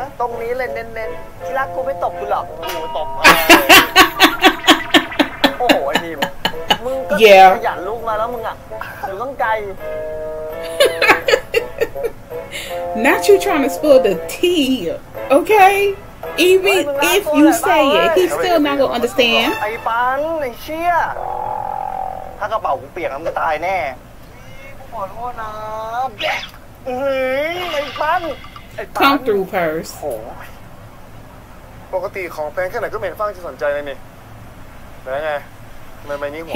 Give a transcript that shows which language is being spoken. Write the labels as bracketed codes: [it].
[th] ตรงนี้เลยเน้นๆที่รักกูไม่ตบกูหรอก กูตบ โอ้โหไอ้บีมึงก็ขยันลุกมาแล้วมึงอ่ะหรือต้องไกล [en] Not you trying to spill the tea, okay? Even if you say it, he's still not gonna understand. [th] ไอ้ปันไอ้เชี่ยถ้ากระเป๋ากูเปียกมันตายแน่ขอโทษนะ ไอ้ปัน [en] Come through purse. [th] โอ้ปกติของแฟนแค่ไหนก็ไม่เห็นฟังจะสนใจเลยนี่แล้วไงไม่มีหัว